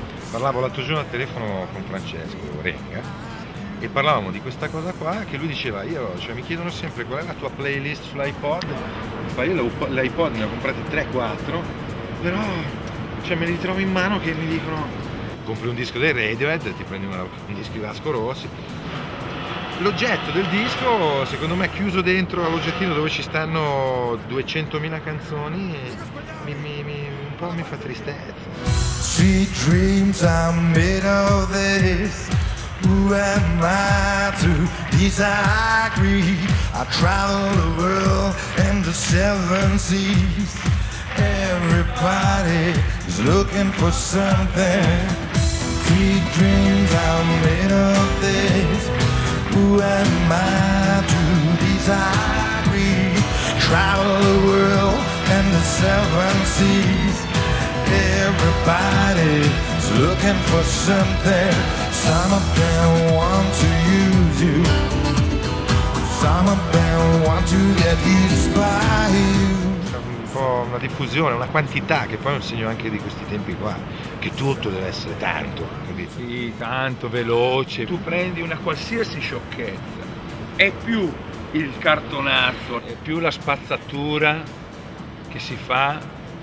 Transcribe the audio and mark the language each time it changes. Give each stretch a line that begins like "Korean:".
Italian: Parlavo l'altro giorno al telefono con Francesco Renga e parlavamo di questa cosa qua, che lui diceva, mi chiedono sempre qual è la tua playlist sull'iPod, ma io l'iPod ne ho comprati 3-4, però me li trovo in mano che mi dicono compri un disco dei Radiohead, ti prendi un disco di Vasco Rossi. L'oggetto del disco, secondo me, chiuso dentro all'oggettino dove ci stanno 200.000 canzoni, un po' mi fa tristezza.
English: Sweet dreams I'm made of this. Who am I to disagree? I travel the world and the seven seas. Everybody is looking for something. Sweet dreams I'm made of this. Who am I to disagree? Travel the world and the seven seas. Everybody's looking for something. Some of them want to use you. Some of them want to get used by you.
Italian: Un po' una diffusione, una quantità, che poi è un segno anche di questi tempi qua, che tutto deve essere tanto, capito? Sì, tanto, veloce. Tu prendi una qualsiasi sciocchezza, è più il cartonato, è più la spazzatura che si fa.